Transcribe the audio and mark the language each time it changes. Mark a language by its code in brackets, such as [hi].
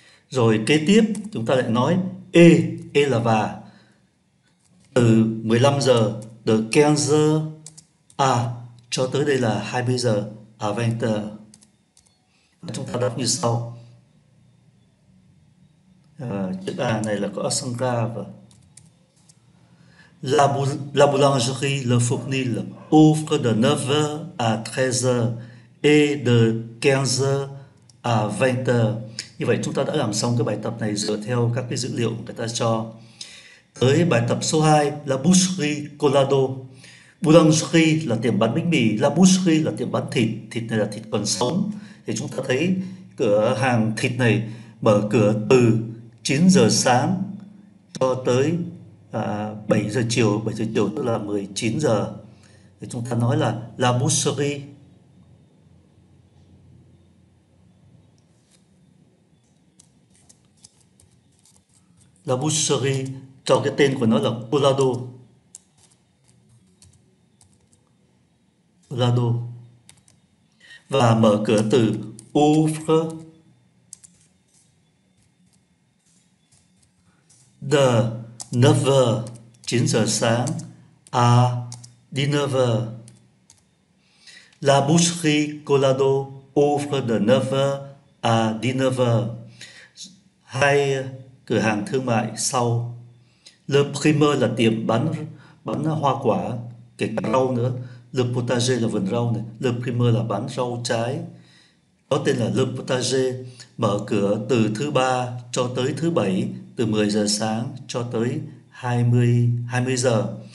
[vi] Rồi kế tiếp chúng ta lại nói e là và từ 15 giờ de 15 giờ à cho tới đây là 20 giờ à 20 giờ. Chúng ta đọc như sau. Chữ A này là có accent grave. [fr] La boulangerie Le Fournil ouvre de 9h à 13h et de 15h à 20h. [vi] Như vậy chúng ta đã làm xong cái bài tập này dựa theo các cái dữ liệu mà người ta cho. Tới bài tập số 2 là boucherie Colado. Boulangerie là tiệm bán bánh mì, la boucherie là tiệm bán thịt, thịt này là thịt còn sống. Thì chúng ta thấy cửa hàng thịt này mở cửa từ 9 giờ sáng cho tới 7 giờ chiều, 7 giờ chiều tức là 19 giờ. Thì chúng ta nói là la boucherie. La boucherie cho cái tên của nó là Colado. Colado. Và mở cửa từ ouvre de 9h 9 giờ sáng à 19h. [fr] La boucherie Colado ouvre de 9h à 19h. [vi] Hai cửa hàng thương mại sau. Le primeur là tiệm bán hoa quả, kể cả rau nữa. Le potager là vườn rau này. Le primeur là bán rau trái. Có tên là Le potager, mở cửa từ thứ ba cho tới thứ bảy, từ 10 giờ sáng cho tới 20 giờ.